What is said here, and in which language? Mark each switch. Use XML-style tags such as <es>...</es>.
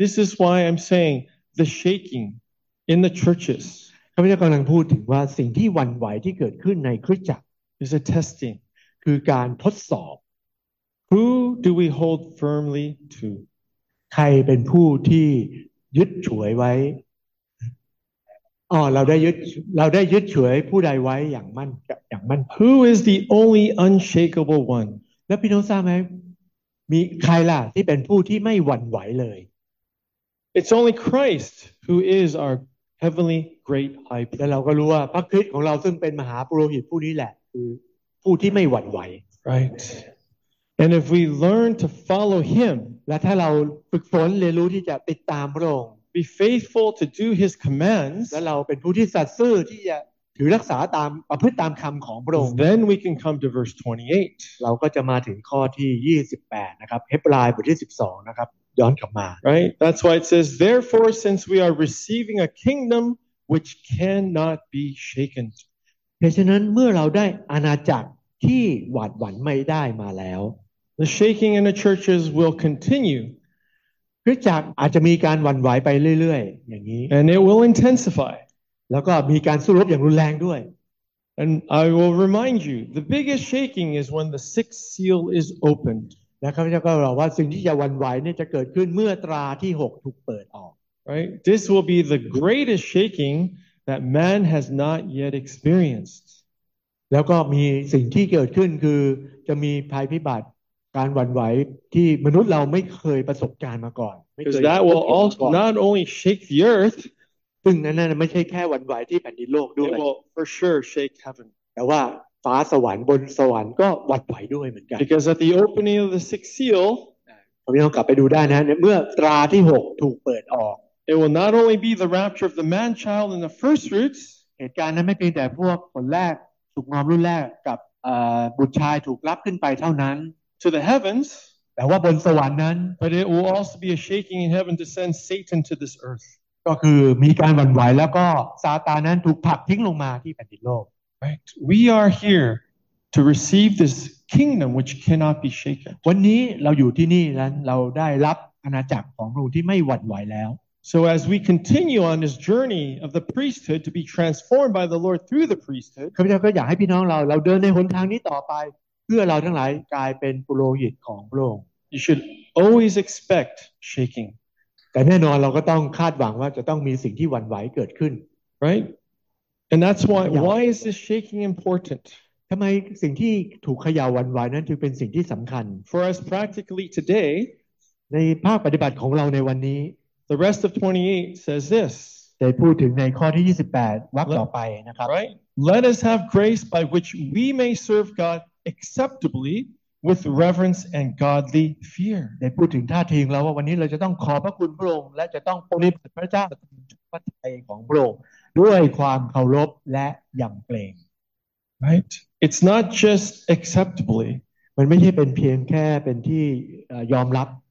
<en>This is why I'm saying the shaking in the churches.</en> <th>ข้าพเจ้ากำลังพูดถึงว่าสิ่งที่หวั่นไหวที่เกิดขึ้นในคริสตจักร</th> <en>is a testing.</en> <th>คือการทดสอบ</th> <en>Who do we hold firmly to?</en> <th>ใครเป็นผู้ที่ยึดฉวยไว้อ๋อเราได้ยึดฉวยผู้ใดไว้อย่างมั่น</th> <en>Who is the only unshakable one</en> <th>แล้วพี่น้องทราบไหมมีใครล่ะที่เป็นผู้ที่ไม่หวั่นไหวเลย</th> <en>It's only Christ who is our heavenly great high priest</en> <th>แล้วเราก็รู้ว่าพระคริสต์ของเราซึ่งเป็นมหาปุโรหิตผู้นี้แหละคือผู้ที่ไม่หวั่นไหว</th> <en>Right And if we learn to follow him</en> <th>และถ้าเราฝึกฝนเรียนรู้ที่จะติดตามพระองค์</th> <en>Be faithful to do His commands.</en> <th>และเราเป็นผู้ที่สัตย์ซื่อที่จะถือรักษาตามประพฤติตามคำของพระองค์</th> <en>Then we can come to verse 28.</en> <th>เราก็จะมาถึงข้อที่28นะครับเฮบรายบทที่12นะครับย้อนกลับมา</th> <en>Right. That's why it says, therefore, since we are receiving a kingdom which cannot be shaken.</en> <th>เพราะฉะนั้นเมื่อเราได้อาณาจักรที่หวั่นไม่ได้มาแล้ว</th> <en>The shaking in the churches will continue.</en> <th>คริสตจักรอาจจะมีการหวั่นไหวไปเรื่อยๆอย่างนี้</th> <en>And it will intensify</en> <th>แล้วก็มีการสู้รบอย่างรุนแรงด้วย</th> <en>And I will remind you the biggest shaking is when the sixth seal is opened</en> <th>นะครับจะก็บอกว่าสิ่งที่จะหวั่นไหวเนี่ยจะเกิดขึ้นเมื่อตราที่6ถูกเปิดออก</th> <en>Right this will be the greatest shaking that man has not yet experienced</en> <th>แล้วก็มีสิ่งที่เกิดขึ้นคือจะมีภัยพิบัติการหวั่นไหวที่มนุษย์เราไม่เคยประสบการณ์มาก่อนไม่เคย</th> <en>That will also not only shake the earth</en> <th>ซึ่งนั้นไม่ใช่แค่หวั่นไหวที่แผ่นดินโลกด้วย</th> <en>It will for sure shake heaven</en> <th>แต่ว่าฟ้าสวรรค์บนสวรรค์ก็หวั่นไหวด้วยเหมือนกัน</th> <en>Because at the opening of the sixth seal</en> <th>ผมยังกลับไปดูได้นะเมื่อตราที่6ถูกเปิดออก</th> <en>It will not only be the rapture of the man child and the first fruits</en> <th>เหตุการณ์นั้นไม่เพียงแต่พวกคนแรกถูกงอมรุ่นแรกกับบุตรชายถูกรับขึ้นไปเท่านั้น</th> <en>To the heavens,</en> <th>แต่ว่าบนสวรรค์นั้น</th> <en>but it will also be a shaking in heaven to send Satan to this earth.</en> <th>ก็คือมีการหวั่นไหวแล้วก็ซาตานนั้นถูกผลักทิ้งลงมาที่แผ่นดินโลก</th> <en>Right, we are here to receive this kingdom which cannot be shaken.</en> <th>วันนี้เราอยู่ที่นี่แล้วเราได้รับอาณาจักรของพระองค์ที่ไม่หวั่นไหวแล้ว</th> <en>So as we continue on this journey of the priesthood to be transformed by the Lord through the priesthood,</en> <th>ข้าพเจ้าก็อยากให้พี่น้องเราเดินในหนทางนี้ต่อไปเพื่อเราทั้งหลายกลายเป็นปุโรหิตของพระองค์</th> <en>You should always expect shaking.</en> <th>แต่แน่นอนเราก็ต้องคาดหวังว่าจะต้องมีสิ่งที่หวั่นไหวเกิดขึ้น</th> <en>Right? And that's why is this shaking important?</en> <th>ทำไมสิ่งที่ถูกเขย่าวันวายนั้นถึงเป็นสิ่งที่สำคัญ</th> <en>For us practically today</en> <th>ในภาคปฏิบัติของเราในวันนี้</th> <en>The rest of 28 says this</en> <th>ได้พูดถึงในข้อที่28วรรคต่อไปนะครับ</th> <en>Right Let us have grace by which we may serve God acceptably with reverence and godly fear</en> <th>ได้พูดถึงท่าทีของเราว่าวันนี้เราจะต้องขอพระคุณพระองค์และจะต้องปฏิบัติพระเจ้าตามพระทัยของพระองค์ด้วยความเคารพและยำเกรง</th> <en>Right. It's not just acceptably.</en> <th>มันไม่ใช่เป็นเพียงแค่เป็นที่ยอมรับ</th>